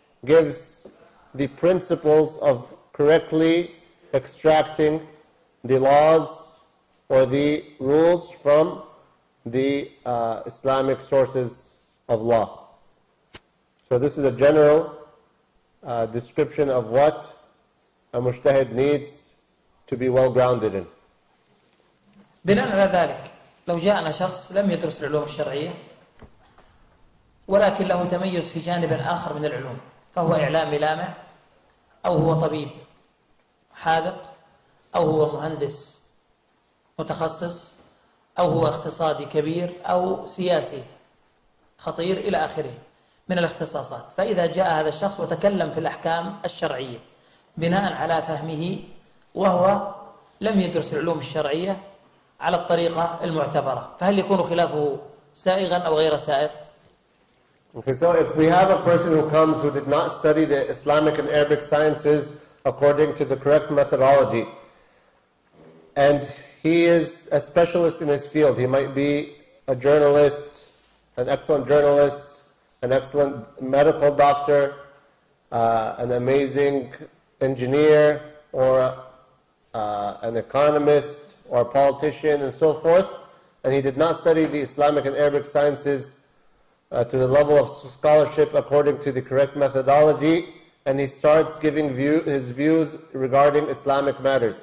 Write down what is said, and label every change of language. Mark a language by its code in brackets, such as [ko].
[en] gives the principles of correctly extracting the laws or the rules from the Islamic sources of law. So this is a general description of what a mujtahid needs to be well grounded in. [ar] بناء على ذلك لو جاءنا شخص لم يدرس العلوم الشرعية ولكن له تميز في جانب آخر من العلوم فهو إعلامي لامع أو هو طبيب حاذق أو هو مهندس متخصص أو هو اقتصادي كبير أو سياسي خطير إلى آخره من الاختصاصات فإذا جاء هذا الشخص وتكلم في الأحكام الشرعية بناء على فهمه وهو لم يدرس العلوم الشرعية على الطريقة المعتبرة فهل يكون خلافه سائغا أو غير سائغ؟ [en] Okay, so if we have a person who comes who did not study the Islamic and Arabic sciences according to the correct methodology, and he is a specialist in his field, he might be a journalist, an excellent journalist, an excellent medical doctor, an amazing engineer, or an economist, or a politician, and so forth, and he did not study the Islamic and Arabic sciences to the level of scholarship according to the correct methodology, and he starts giving his views regarding Islamic matters.